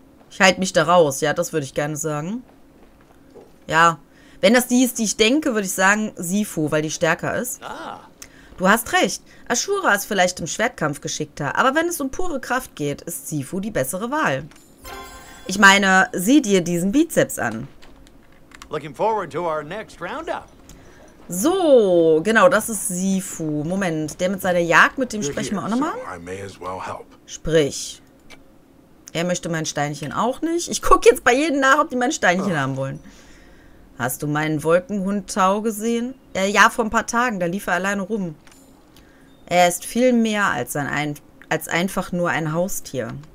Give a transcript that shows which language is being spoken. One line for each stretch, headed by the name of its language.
German: Ich halte mich da raus, ja, das würde ich gerne sagen. Ja, wenn das die ist, die ich denke, würde ich sagen Sifu, weil die stärker ist. Ah. Du hast recht. Ashura ist vielleicht im Schwertkampf geschickter, aber wenn es um pure Kraft geht, ist Sifu die bessere Wahl. Ich meine, sieh dir diesen Bizeps an.
English: Looking forward to our next roundup.
German: So, genau, das ist Sifu. Moment, der mit seiner Jagd, mit dem sprechen wir auch nochmal.
English: I may as well help.
German: Sprich, er möchte mein Steinchen auch nicht. Ich gucke jetzt bei jedem nach, ob die mein Steinchen haben wollen. Hast du meinen Wolkenhund-Tau gesehen? Ja, vor ein paar Tagen, da lief er alleine rum. Er ist viel mehr als einfach nur ein Haustier.